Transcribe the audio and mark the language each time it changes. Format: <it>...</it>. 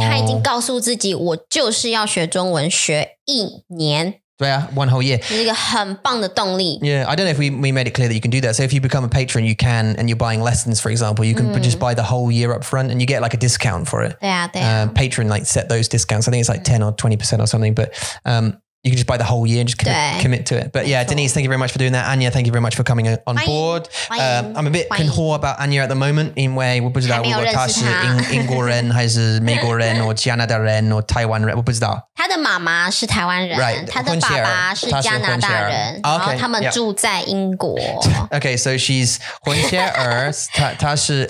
<zh>他已经告诉自己，我就是要学中文学一年。</zh> <en>对啊 one whole year.</en> <zh>是一个很棒的动力。</zh> <en>Yeah, I don't know if we made it clear that you can do that. So if you become a patron, you can, and you're buying lessons, for example, you can、mm. just buy the whole year up front and you get like a discount for it.</en> <zh>对啊对啊、</zh> <en>patron like set those discounts. I think it's like 10 or 20% or something, but、you can just buy the whole year and just commit to it. But yeah, Denise, thank you very much for doing that. Anya, thank you very much for coming on board. I'm a bit conhor about Anya at the moment,</en> <zh>因为我不知道我她是英国人还是美国人或加拿大人或台湾人，我不知道。她的妈妈是台湾人，</zh> <en>right,</en> <zh>她的爸爸是加拿大人，然后他们住在英国。</zh> <en>Okay, so she's 混血儿，</en> <zh>她是</zh>